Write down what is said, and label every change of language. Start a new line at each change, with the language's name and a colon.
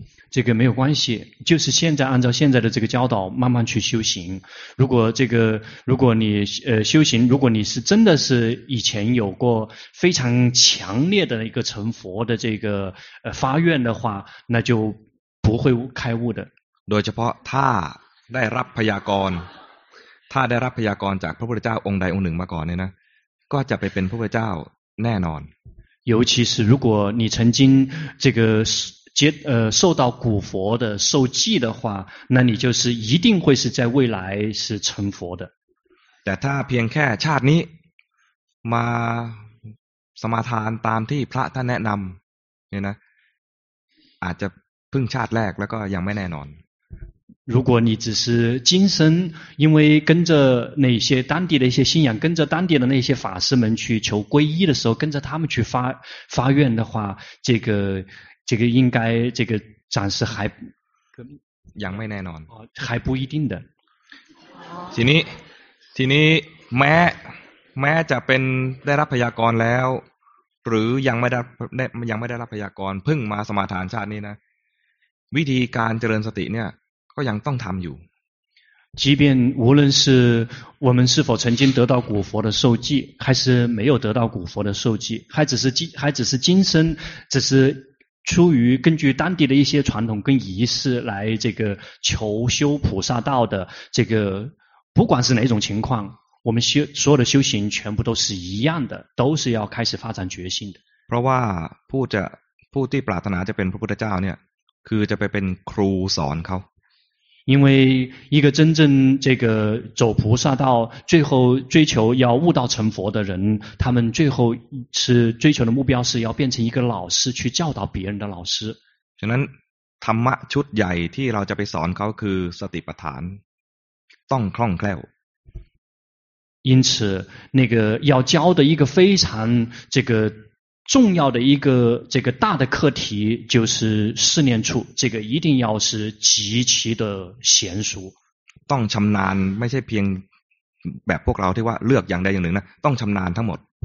Chinese: 这个没有关系就是现在按照现在的这个教导慢慢去修行如果这个如果你修行如果你是真的是以前有过非常强烈的一个成佛的这个发愿的话那就不会开悟的
Thai: โดยเฉพาะถ้าได้รับพยากรณ์ถ้าได้รับพยากรณ์จากพระพุทธเจ้าองค์ใดองค์หนึ่งมาก่อนเนี่ยนะก็จะไปเป็นพระพุทธเจ้าแน่นอน
Chinese: 尤其是如果你曾经这个受到古佛的受记的话，那你就是一定会是在未来是成佛的。
Thai: แต่ถ้าเพียงแค่ชาตินี้มาสมาทานตามที่พระท่านแนะนำเนี่ยนะอาจจะพึ่งชาติแรกแล้วก็ยังไม่แน่นอน
Chinese: 如果你只是今生因为跟着那些当地的一些信仰跟着当地的那些法师们去求皈依的时候跟着他们去发愿的话这个应该这个暂时还
Thai: ยังไม่แน่นอน
Chinese: 还不一定的
Thai: ทีนี้แม้จะเป็นได้รับพยากรณ์แล้วหรือยังไม่ได้รับพยากรณ์เพิ่งมาสมาทานชาตินี้นะวิธีการเจริญสติเนี่ยก็ยังต้องทำอยู่
Chinese: 即便无论是我们是否曾经得到古佛的授记还是没有得到古佛的授记还只是今生只是出于根据当地的一些传统跟仪式来这个求修菩萨道的这个不管是哪种情况我们所有的修行全部都是一样的都是要开始发展决心的
Thai: เพราะว่าผู้ที่ปรารถนาจะเป็นพระพุทธเจ้าเนี่ยคือจะไปเป็นครูสอนเขา
Chinese: 因为一个真正这个走菩萨道最后追求要悟道成佛的人他们最后是追求的目标是要变成一个老师去教导别人的老师
Thai: ฉะนั้นธรรมะชุดใหญ่ที่เราจะไปสอนเขาคือสติปัฏฐานต้องคล่องแคล่ว
Chinese: 因此那个要教的一个非常这个重要的一个这个大的课题就是四念处这个一定要是极其的娴熟
Thai: ต้องชำนาญไม่ใช่เพียงแบบพวกเราที่ว่าเลือกอย่างใดอย่างหนึ่งนะต้องชำนาญทั้งหมด